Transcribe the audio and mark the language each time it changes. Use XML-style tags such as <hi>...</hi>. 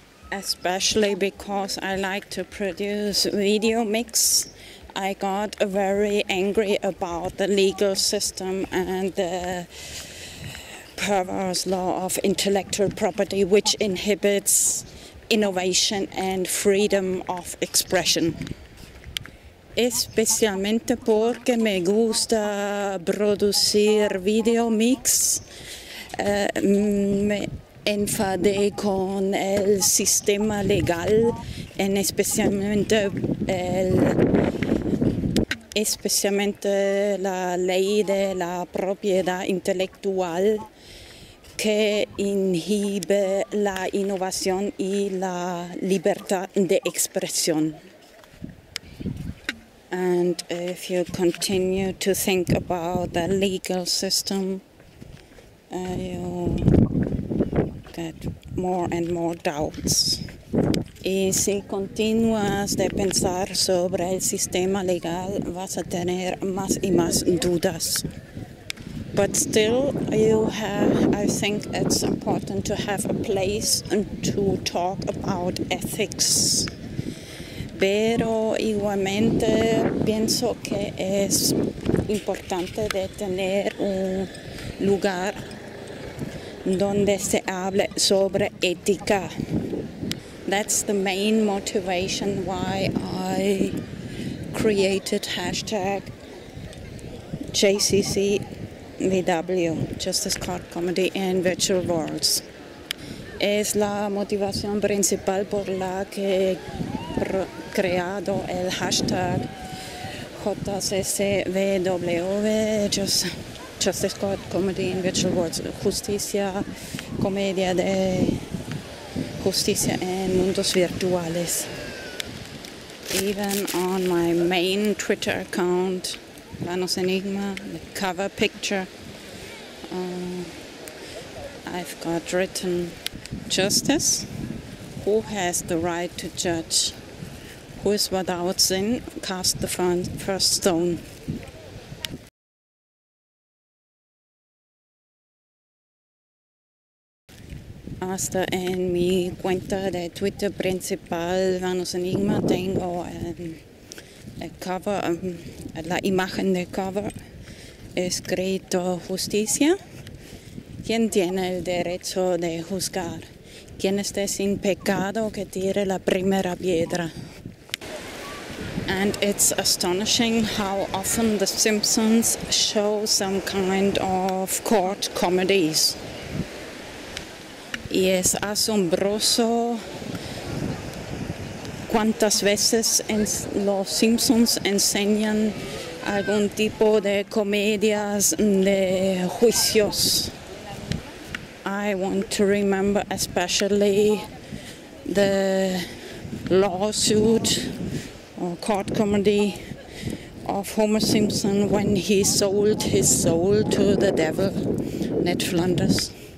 <en>Especially because I like to produce video mix, I got very angry about the legal system and the perverse law of intellectual property, which inhibits innovation and freedom of expression.</en> <es>Especialmente porque me gusta producir video mix, me enfadé con el sistema legal, en especialmente la ley de la propiedad intelectual, que inhibe la innovación y la libertad de expresión.</es> <en>And if you continue to think about the legal system, you get more and more doubts.</en> <es>Y si continúas de pensar sobre el sistema legal, vas a tener más y más dudas.</es> <en>But still, I think it's important to have a place to talk about ethics.</en> <es>Pero igualmente pienso que es importante de tener un lugar donde se hable sobre ética.</es> <en>That's the main motivation why I created hashtag JCCVW, Justice Court Comedy in Virtual Worlds.</en> <es>Es la motivación principal por la que creado el hashtag JCCVW, Justice Court Comedy in Virtual Worlds, Justicia, Comedia de Justicia en Mundos Virtuales.</es> <en>Even on my main Twitter account, Vanos Enigma, the cover picture, I've got written Justice, who has the right to judge? Who is without sin, cast the first stone.</en> <es>Hasta en mi cuenta de Twitter principal, Vanos Enigma, tengo la imagen de cover escrito Justicia. ¿Quién tiene el derecho de juzgar? ¿Quién esté sin pecado que tire la primera piedra?</es> <en>And it's astonishing how often The Simpsons show some kind of court comedies.</en> <es>Y es asombroso cuántas veces los Simpsons enseñan algún tipo de comedias de juicios.</es> <en>I want to remember especially the lawsuit or court comedy of Homer Simpson when he sold his soul to the devil, Ned Flanders.</en>